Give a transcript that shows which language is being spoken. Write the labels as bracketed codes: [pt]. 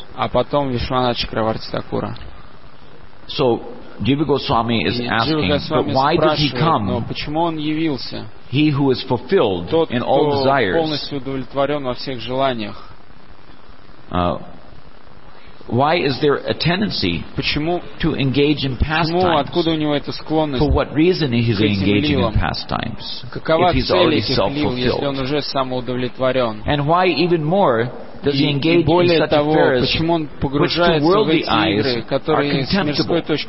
[ru] А потом Вишванат Чакраварти Такур. [en] So, Jiva Goswami is asking, but why did he come? [ru] Но почему он явился? [en] He who is fulfilled [ru] тот, [en] in all desires, [ru] полностью удовлетворен во всех желаниях. [en] why is there a tendency to engage in pastimes? For what reason is he engaging in pastimes? If he's already self-fulfilled. And why even more does he engage in such affairs, which to worldly eyes are contemptible?